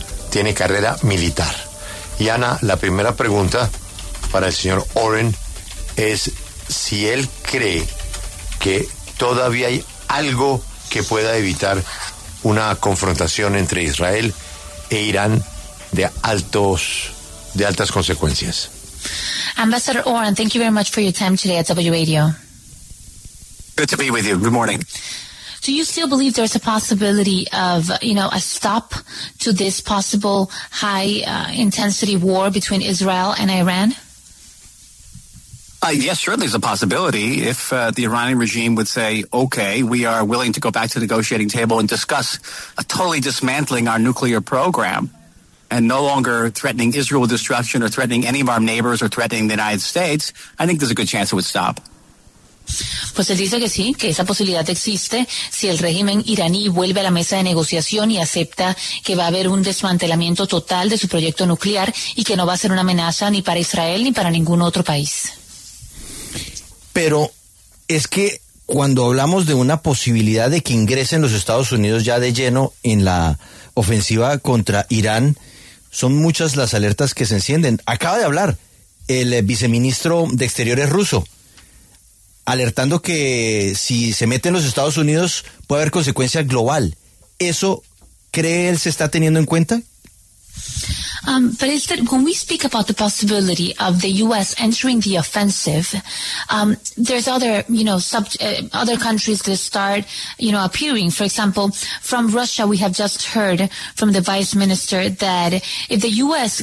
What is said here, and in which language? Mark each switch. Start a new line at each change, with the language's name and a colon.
Spanish: Tiene carrera militar. Y Ana, la primera pregunta para el señor Oren es si él cree que todavía hay algo que pueda evitar una confrontación entre Israel e Irán de altas consecuencias.
English: Ambassador Oren, thank you very much for your time today at WRadio. Good to be with you. Good morning. Do you still believe there's a possibility of, you know, a stop to this possible high intensity war between Israel and Iran? Yes, certainly it's a possibility. If the Iranian regime would say, okay, we are willing to go back to the negotiating table and discuss totally dismantling our nuclear program and no longer threatening Israel with destruction or threatening any of our neighbors or threatening the United States, I think there's a good chance it would stop.
Spanish: Pues él dice que sí, que esa posibilidad existe si el régimen iraní vuelve a la mesa de negociación y acepta que va a haber un desmantelamiento total de su proyecto nuclear y que no va a ser una amenaza ni para Israel ni para ningún otro país. Pero es que cuando hablamos de una posibilidad de que ingresen los Estados Unidos ya de lleno en la ofensiva contra Irán, son muchas las alertas que se encienden. Acaba de hablar el viceministro de Exteriores ruso, alertando que si se meten los Estados Unidos puede haber consecuencia global. ¿Eso cree él se está teniendo en cuenta?
English: But is that when we speak about the possibility of the U.S. entering the offensive, there's other, you know, other countries that start, you know, appearing. For example, from Russia, we have just heard from the vice minister that if the U.S.